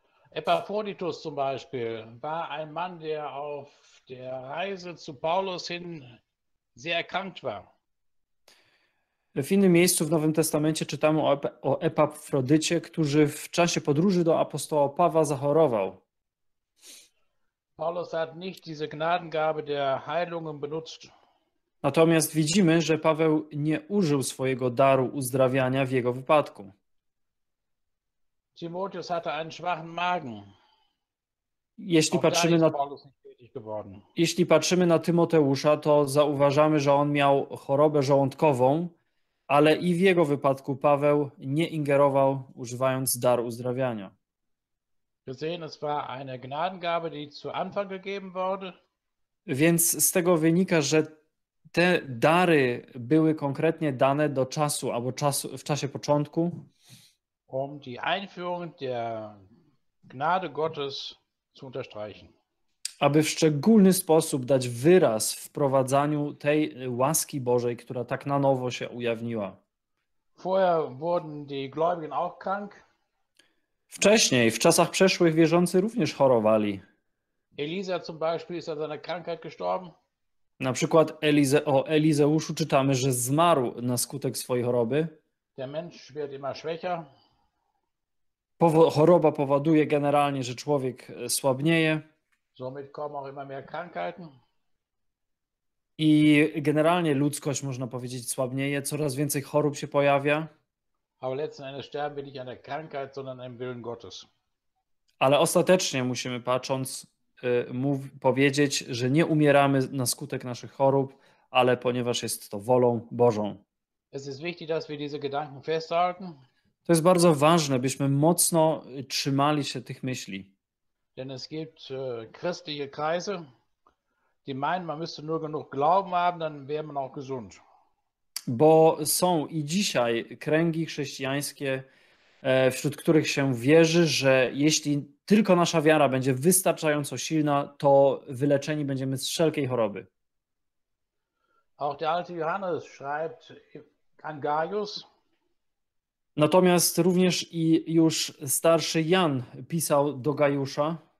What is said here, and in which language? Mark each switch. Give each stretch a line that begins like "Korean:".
German: Epaphroditus zum Beispiel war ein Mann, der auf der Reise zu Paulus hin sehr erkrankt war.
Polish: W innym miejscu w Nowym Testamencie czytamy o Epafrodycie, który w czasie podróży do apostoła Pawła zachorował.
German: Paulus hat nicht diese Gnadengabe der Heilungen benutzt.
Polish: Natomiast widzimy, że Paweł nie użył swojego daru uzdrawiania w jego wypadku.
German: Timotheus hatte einen schwachen Magen.
Polish: Jeśli patrzymy na Paulus
German: nicht tätig geworden.
Polish: Jeśli patrzymy na Tymoteusza, to zauważamy, że on miał chorobę żołądkową, ale i w jego wypadku Paweł nie ingerował, używając daru uzdrawiania.
German: Gesehen, es war eine Gnadengabe, die zu Anfang gegeben wurde.
Polish: Więc z tego wynika, że te dary były konkretnie dane do czasu albo czasu, w czasie początku.
German: Um die Einführung der Gnade Gottes zu unterstreichen.
Polish: Aby w szczególny sposób dać wyraz wprowadzaniu tej łaski Bożej, która tak na nowo się ujawniła.
German: Vorher wurden die Gläubigen auch krank.
Polish: Wcześniej, w czasach przeszłych, wierzący również chorowali.
German: Elisa zum Beispiel ist an seiner Krankheit gestorben.
Polish: Na przykład o Elizeuszu czytamy, że zmarł na skutek swojej choroby.
German: Der Mensch wird immer schwächer.
Polish: Choroba powoduje generalnie, że człowiek słabnieje.
German: Somit kommen auch immer mehr Krankheiten.
Polish: I generalnie ludzkość, można powiedzieć, słabnieje, coraz więcej chorób się pojawia.
German: Aber letzten Endes sterben wir nicht an der Krankheit, sondern an dem Willen Gottes.
Polish: Ale ostatecznie musimy, patrząc, powiedzieć, że nie umieramy na skutek naszych chorób, ale ponieważ jest to wolą Bożą.
German: Es ist wichtig, dass wir diese Gedanken festhalten.
Polish: To jest bardzo ważne, byśmy mocno trzymali się tych myśli.
German: Denn es gibt christliche Kreise, die meinen, man müsste nur genug Glauben haben, dann wäre man auch gesund.
Polish: Bo są i dzisiaj kręgi chrześcijańskie, wśród których się wierzy, że jeśli tylko nasza wiara będzie wystarczająco silna, to wyleczeni będziemy z wszelkiej choroby.
German: Auch der alte Johannes schreibt an Gaius.
Polish: Natomiast również i już starszy Jan pisał do Gajusza.